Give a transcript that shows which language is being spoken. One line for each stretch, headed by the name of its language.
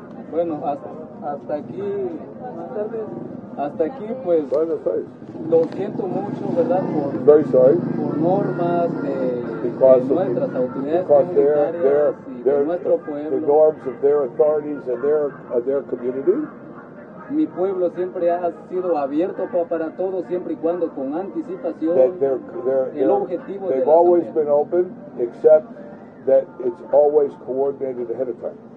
Spanish: Bueno, hasta aquí, más tarde, hasta aquí, pues, lo siento mucho, ¿verdad?
English: Very sorry.
Spanish: Por normas de nuestras autoridades comunitarias y de nuestro pueblo.
English: The norms of their authorities and their community.
Spanish: Mi pueblo siempre ha sido abierto para todos, siempre y cuando con anticipación. El objetivo de la
English: They've always been open, except that it's always coordinated ahead of time.